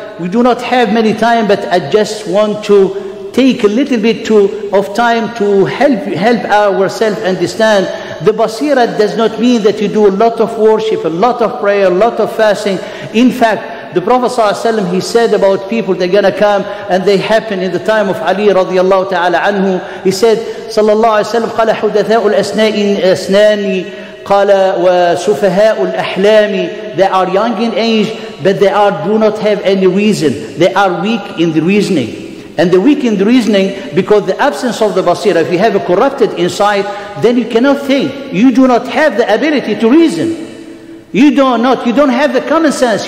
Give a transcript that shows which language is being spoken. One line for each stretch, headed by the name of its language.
English: We do not have many time, but I just want to take a little bit of time to help ourselves understand. The basira does not mean that you do a lot of worship, a lot of prayer, a lot of fasting. In fact, the Prophet sallallahu alaihi wasallam, he said about people, they're going to come and they happen in the time of Ali radiallahu ta'ala anhu. He said,
Arabic: sallallahu alaihi wasallam, قَالَ حُدَثَاءُ الْأَسْنَانِ قَالَ وَسُفَهَاءُ الْأَحْلَامِ.
English: They are young in age, but they do not have any reason. They are weak in the reasoning. And the weak in the reasoning, because the absence of the basira, if you have a corrupted insight, then you cannot think. You do not have the ability to reason. You don't have the common sense.